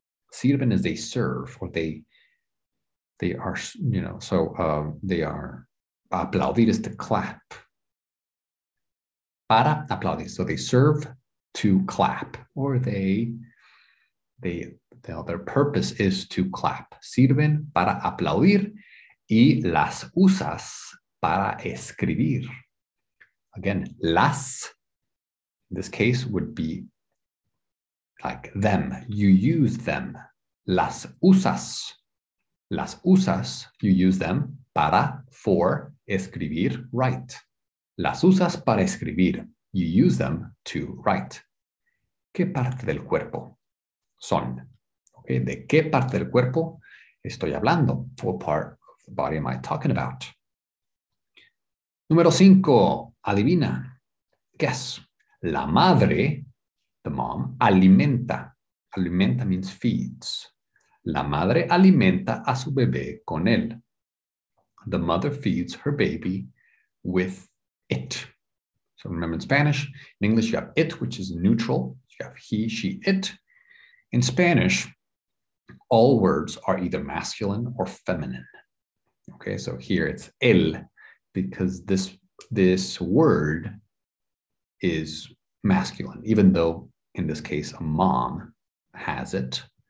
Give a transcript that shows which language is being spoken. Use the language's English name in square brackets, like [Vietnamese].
[English] Sirven is they serve or they are, you know, so they are, aplaudir is to clap. [Spanish] Para aplaudir. [English] So they serve to clap, or their purpose is to clap. [Spanish] Sirven para aplaudir y las usas para escribir. [English] Again, las, in this case, would be like them. You use them. [Spanish] Las usas. Las usas, [English] you use them para, for, escribir, write. [Spanish] Las usas para escribir. [English] You use them to write. [Spanish] ¿Qué parte del cuerpo son? Okay, ¿de qué parte del cuerpo estoy hablando? [English] What part of the body am I talking about? [Spanish] Número 5. Adivina. Guess. La madre, [English] the mom, [Spanish] alimenta. [English] Alimenta means feeds. [Spanish] La madre alimenta a su bebé con él. [English] The mother feeds her baby with it. So remember in Spanish, in English you have it, which is neutral. You have he, she, it. In Spanish, all words are either masculine or feminine. Okay, so here it's el, because this word is masculine, even though in this case a mom has it.